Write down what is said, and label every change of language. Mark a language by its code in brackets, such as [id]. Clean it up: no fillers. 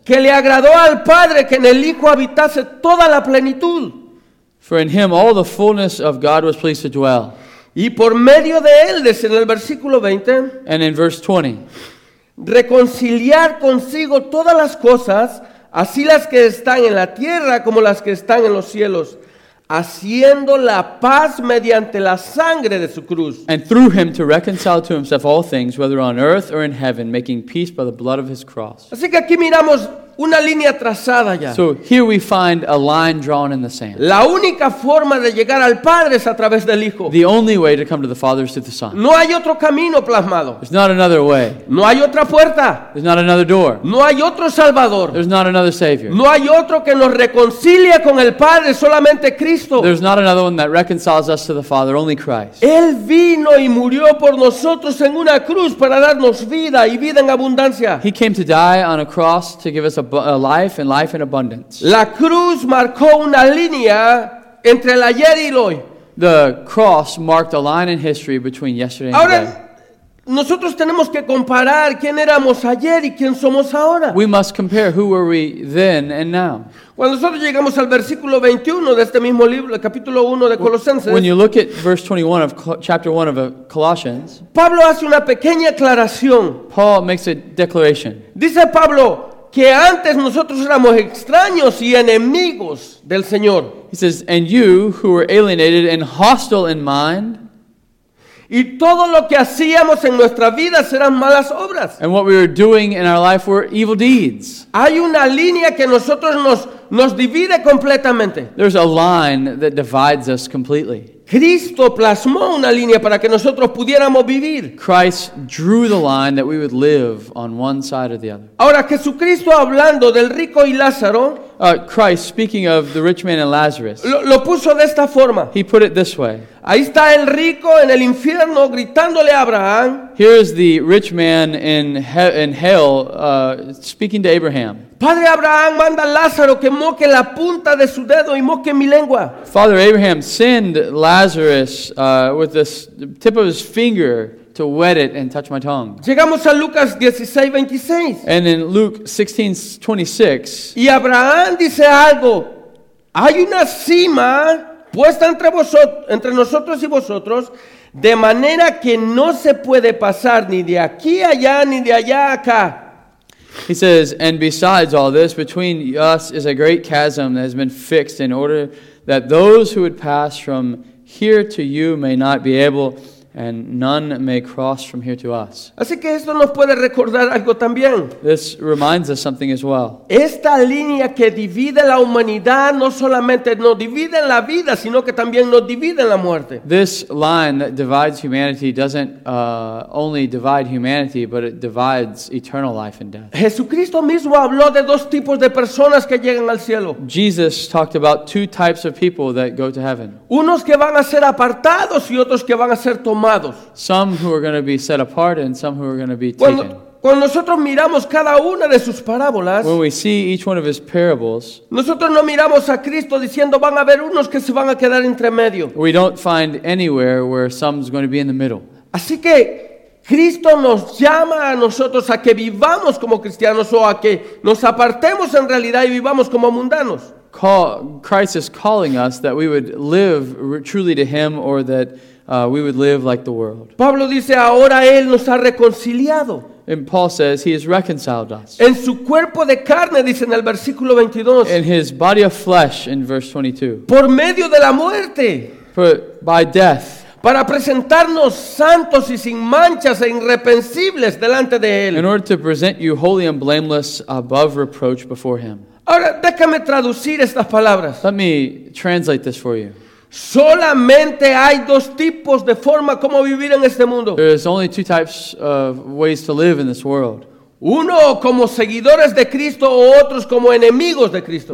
[es] Que le agradó al Padre que en el Hijo habitase toda la plenitud. [en] For in him all the fullness of God was pleased to dwell. [es] Y por medio de él, dice en el versículo 20. [en] And in verse 20. [es] Reconciliar consigo todas las cosas, así las que están en la tierra como las que están en los cielos, haciendo la paz mediante la sangre de su cruz. [en] And through him to reconcile to himself all things, whether on earth or in heaven, making peace by the blood of his cross. [es] Así que aquí miramos una línea trazada ya. [en] So here we find a line drawn in the sand. [es] La única forma de llegar al Padre es a través del Hijo. [en] The only way to come to the Father is through the Son. [es] No hay otro camino plasmado. [en] There's not another way. [es] No hay otra puerta. [en] There's not another door. [es] No hay otro Salvador. [en] There's not another Savior. [es] No hay otro que nos reconcilie con el Padre, solamente Cristo. [en] There's not another one that reconciles us to the Father, only Christ. [es] Él vino y murió por nosotros en una cruz para darnos vida y vida en abundancia. [en] He came to die on a cross to give us a life and life in abundance. [es] La cruz marcó una línea entre el ayer y el hoy. [en] The cross marked a line in history between yesterday and today. [es] Nosotros tenemos que comparar quién éramos ayer y quién somos ahora. [en] We must compare who were we then and now. [es] Cuando nosotros llegamos al versículo 21 de este mismo libro, el capítulo 1 de Colosenses. [en] When you look at verse 21 of chapter 1 of Colossians. [es] Pablo hace una pequeña aclaración. [en] Paul makes a declaration. [es] Dice Pablo que antes nosotros éramos extraños y enemigos del Señor. [en] He says, and you who were alienated and hostile in mind. [es] Y todo lo que hacíamos en nuestra vida eran malas obras. [en] And what we were doing in our life were evil deeds. [es] Hay una línea que nosotros nos divide completamente. [en] There's a line that divides us completely. [es] Cristo plasmó una línea para que nosotros pudiéramos vivir. [en] Christ drew the line that we would live on one side or the other. [es] Ahora, Jesucristo hablando del rico y Lázaro. [en] Christ speaking of the rich man and Lazarus. [es] Lo puso de esta forma. [en] He put it this way. [es] Ahí está el rico en el infierno gritándole a Abraham. [en] Here is the rich man in hell speaking to Abraham. [es] Padre Abraham, manda a Lázaro que moque la punta de su dedo y moque mi lengua. [en] Father Abraham, send Lazarus with the tip of his finger to wet it and touch my tongue. [es] Llegamos a Lucas 16:26. [en] And in Luke 16:26. [es] Y Abraham dice algo. Hay una cima puesta entre nosotros y vosotros, de manera que no se puede pasar ni de aquí allá ni de allá acá. [en] He says, and besides all this, between us is a great chasm that has been fixed in order that those who would pass from here to you may not be able, and none may cross from here to us. [es] Así que esto nos puede recordar algo también. [en] This reminds us something as well. [es] Esta línea que divide la humanidad no solamente nos divide en la vida, sino que también nos divide en la muerte. [en] This line that divides humanity doesn't only divide humanity, but it divides eternal life and death. [es] Jesucristo mismo habló de dos tipos de personas que llegan al cielo. [en] Jesus talked about two types of people that go to heaven. [es] Unos que van a ser apartados y otros que van a ser [en] some who are going to be set apart and some who are going to be taken. [es] Cuando nosotros miramos cada una de sus parábolas, [en] when we see each one of his parables, [es] nosotros no miramos a Cristo diciendo van a haber unos que se van a quedar entre medio. [en] We don't find anywhere where some's going to be in the middle. [es] Así que Cristo nos llama a nosotros a que vivamos como cristianos o a que nos apartemos en realidad y vivamos como mundanos. [en] Christ is calling us that we would live truly to him, or that we would live like the world. [es] Pablo dice, ahora él nos ha reconciliado. [en] And Paul says, he has reconciled us. [es] En su cuerpo de carne, dice en el versículo 22. [en] In his body of flesh, in verse 22. [es] Por medio de la muerte. [en] By death. [es] Para presentarnos santos y sin manchas e irreprensibles delante de él. [en] In order to present you holy and blameless above reproach before him. [es] Ahora, déjame traducir estas palabras. [en] Let me translate this for you. [es] Solamente hay dos tipos de forma como vivir en este mundo. [en] There is only two types of ways to live in this world. [es] Uno como seguidores de Cristo o otros como enemigos de Cristo.